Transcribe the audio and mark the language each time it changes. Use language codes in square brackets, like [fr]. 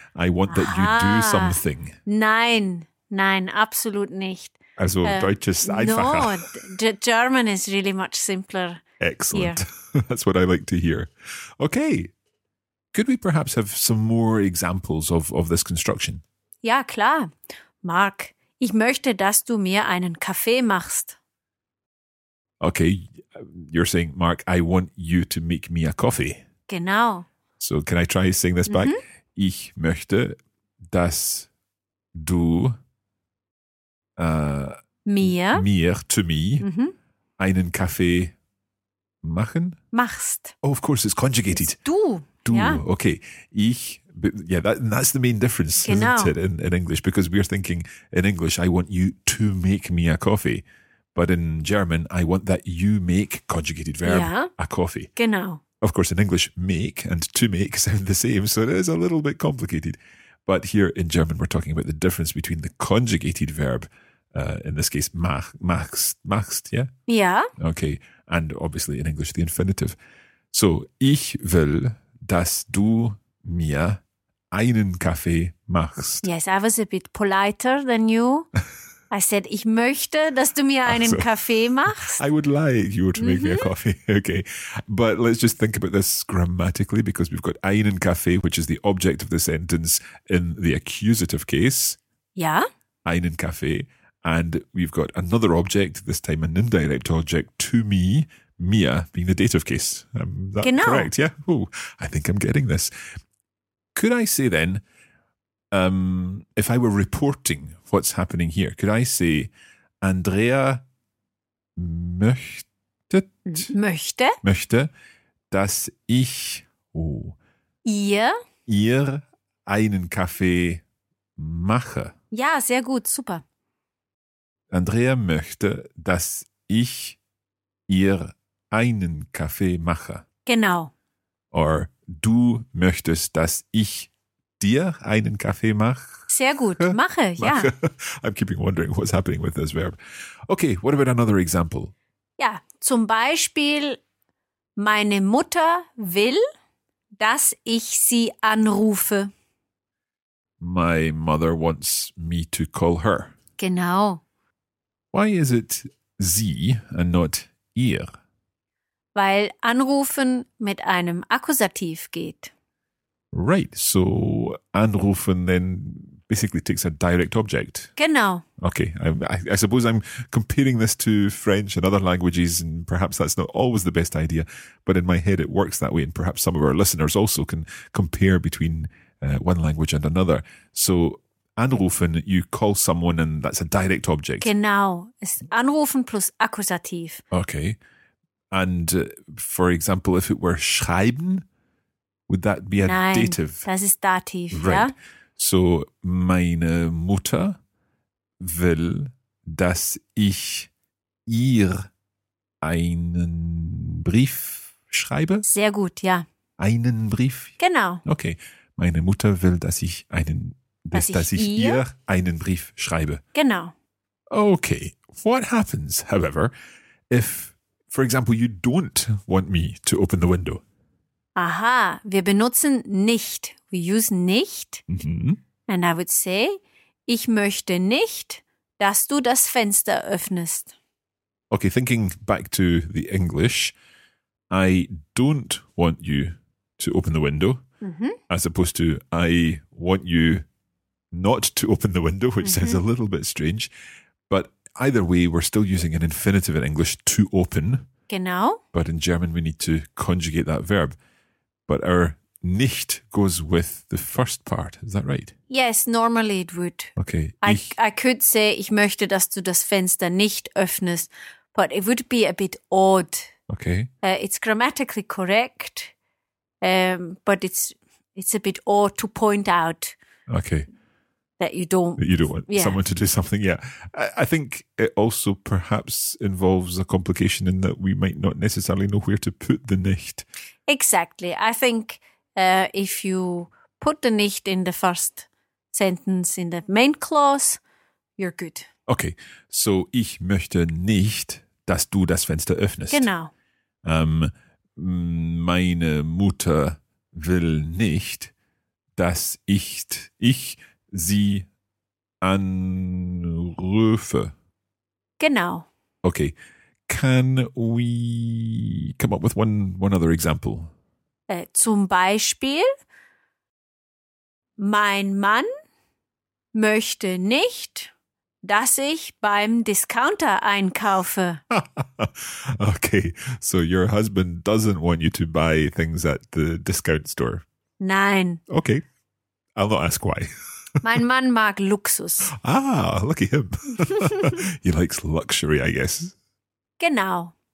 [en] I want that you do something. [de] Nein. Nein, absolut nicht. Also Deutsch ist einfacher. [en] No, German is really much simpler. Excellent. That's what I like to hear. Okay. Could we perhaps have some more examples of this construction? [de] Ja, klar. Mark, ich möchte, dass du mir einen Kaffee machst. [en] Okay, you're saying, Mark, I want you to make me a coffee. [de] Genau. [en] So can I try saying this mm-hmm. [de] back? Ich möchte, dass du... Mir, mm-hmm. einen Kaffee machen? Machst. [en] Oh, of course, it's conjugated. It's du. Du, yeah. Okay. Ich, yeah, that's the main difference, genau. Isn't it, in English? Because we're thinking in English, I want you to make me a coffee. But in German, I want that you make, conjugated verb, yeah. a coffee. [de] Genau. [en] Of course, in English, make and to make sound the same, so it is a little bit complicated. But here in German, we're talking about the difference between the conjugated verb, in this case, machst, yeah? Yeah. Okay. And obviously in English, the infinitive. [de] So, ich will, dass du mir einen Kaffee machst. [en] Yes, I was a bit politer than you. I said, [de] ich möchte, dass du mir einen Kaffee machst. [en] I would like you to make mm-hmm. me a coffee. Okay. But let's just think about this grammatically, because we've got einen Kaffee, which is the object of the sentence in the accusative case. Yeah. [de] Einen Kaffee. [en] And we've got another object, this time an indirect object, to me, mir, being the dative case. That [de] genau. [en] Correct, yeah? Oh, I think I'm getting this. Could I say then, if I were reporting what's happening here, could I say, [de] Andrea möchte, dass ich, ihr einen Kaffee mache? Ja, sehr gut, super. Andrea möchte, dass ich ihr einen Kaffee mache. Genau. Or du möchtest, dass ich dir einen Kaffee mache. Sehr gut, mache. [en] I'm keeping wondering what's happening with this verb. Okay, what about another example? [de] Ja, zum Beispiel, meine Mutter will, dass ich sie anrufe. [en] My mother wants me to call her. [de] Genau. [en] Why is it sie and not ihr? [de] Weil anrufen mit einem Akkusativ geht. [en] Right, so anrufen then basically takes a direct object. [de] Genau. [en] Okay, I suppose I'm comparing this to French and other languages and perhaps that's not always the best idea, but in my head it works that way and perhaps some of our listeners also can compare between one language and another. So anrufen, you call someone and that's a direct object. [de] Genau, it's anrufen plus Akkusativ. [en] Okay, and for example, if it were schreiben, would that be a [de] Nein, [en] dative? [de] Das ist Dativ, [en] right. [de] Ja. So, meine Mutter will, dass ich ihr einen Brief schreibe. Sehr gut, ja. Einen Brief? Genau. Okay, meine Mutter will, dass ich einen dass ich ihr einen Brief schreibe. Genau. [en] Okay. What happens, however, if, for example, you don't want me to open the window? [de] Aha, wir benutzen nicht. [en] We use nicht. Mm-hmm. And I would say, [de] Ich möchte nicht, dass du das Fenster öffnest. [en] Okay, thinking back to the English, I don't want you to open the window, mm-hmm. as opposed to I want you not to open the window, which mm-hmm. sounds a little bit strange. But either way, we're still using an infinitive in English, to open. [de] Genau. [en] But in German, we need to conjugate that verb. But our nicht goes with the first part. Is that right? Yes, normally it would. Okay. I could say, [de] ich möchte, dass du das Fenster nicht öffnest. [en] But it would be a bit odd. Okay. It's grammatically correct, but it's a bit odd to point out. Okay. That you don't want yeah. someone to do something. Yeah. I think it also perhaps involves a complication in that we might not necessarily know where to put the nicht. Exactly. I think if you put the nicht in the first sentence in the main clause, you're good. Okay. [de] So ich möchte nicht, dass du das Fenster öffnest. Genau. Meine Mutter will nicht, dass ich sie anrufe. Genau. [en] Okay. Can we come up with one other example? [de] Zum Beispiel, mein Mann möchte nicht, dass ich beim Discounter einkaufe. [en] Okay, so your husband doesn't want you to buy things at the discount store. [de] Nein. [en] Okay, I'll not ask why. [de] Mein Mann mag Luxus. [en] Ah, look at him. He likes luxury, I guess. [de] Genau.